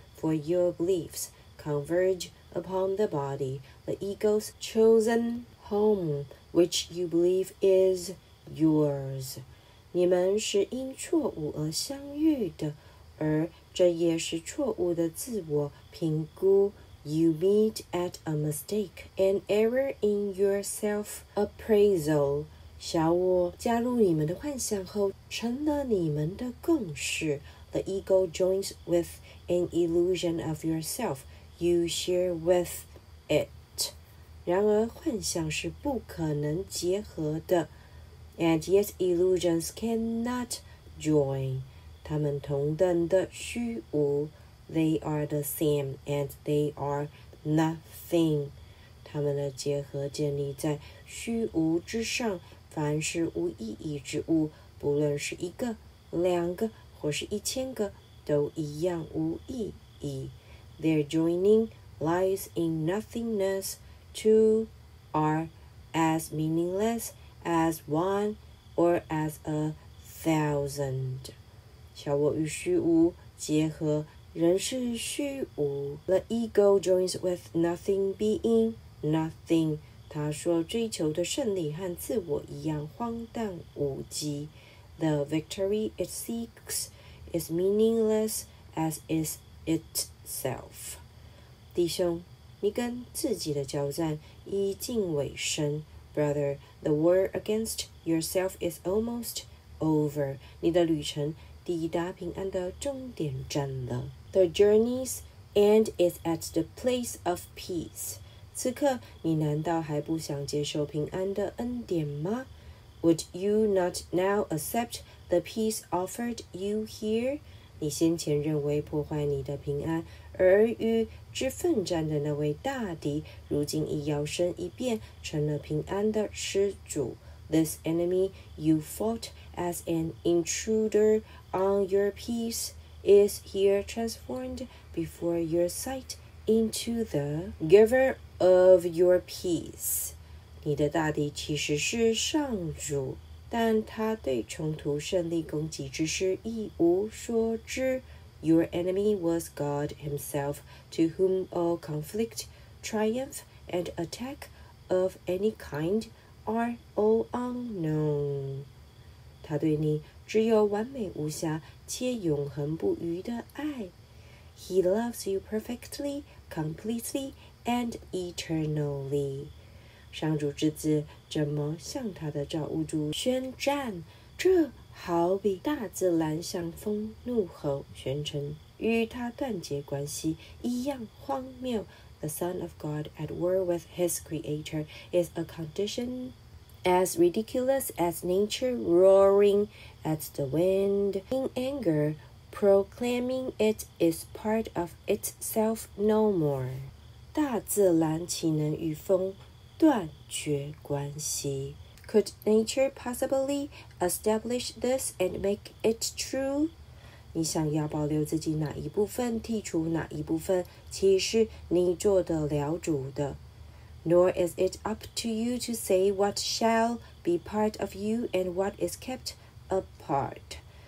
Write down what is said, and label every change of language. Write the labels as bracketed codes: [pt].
[en] For your beliefs converge upon the body, the ego's chosen home, which you believe is yours. [zh] 你们是因错误而相遇的，而这也是错误的自我评估。 [en] You meet at a mistake, an error in your self-appraisal. [zh] 小我加入你们的幻想后成了你们的共识。 [en] The ego joins with an illusion of yourself you share with it. [zh] 然而幻想是不可能结合的。 [en] And yet illusions cannot join. [zh] 它们同等的虚无。 [en] They are the same and they are nothing. [zh] 他们的结合建立在虚无之上，凡是无意义之物，不论是一个、两个或是一千个，都一样无意义。 [en] Their joining lies in nothingness. Two are as meaningless as one or as a thousand. [zh] 小我与虚无结合，人是虚无。 [en] The ego joins with nothing being nothing. [zh] 他说追求的胜利和自我一样荒诞无稽。 [en] The victory it seeks is meaningless as is itself. [zh] 弟兄，你跟自己的交战已近尾声。 [en] Brother, the war against yourself is almost over. [zh] 你的旅程抵达平安的终点站了。 [en] The journey's end is at the place of peace. [zh] 此刻你难道还不想接受平安的恩典吗？ [en] Would you not now accept the peace offered you here? [zh] 你先前认为破坏你的平安而与之奋战的那位大敌，如今一摇身一变成了平安的施主。 [en] This enemy you fought as an intruder on your peace is here transformed before your sight into the giver of your peace. [zh] 你的大敌其实是上主，但他对冲突胜利攻击之事一无所知。 [en] Your enemy was God himself, to whom all conflict, triumph, and attack of any kind are all unknown. [zh] 他对你只有完美无瑕且永恒不渝的爱。 [en] He loves you perfectly, completely, and eternally. [zh] 上主之子怎么向他的造物主宣战？这好比大自然向风怒吼，宣称与他断绝关系一样荒谬。 [en] The Son of God at war with his creator is a condition as ridiculous as nature roaring at the wind in anger, proclaiming it is part of itself no more. [zh] 大自然岂能与风断绝关系？ [en] Could nature possibly establish this and make it true? [zh] 你想要保留自己哪一部分，剔除哪一部分，其实你做得了主的。 [en] Nor is it up to you to say what shall be part of you and what is kept apart.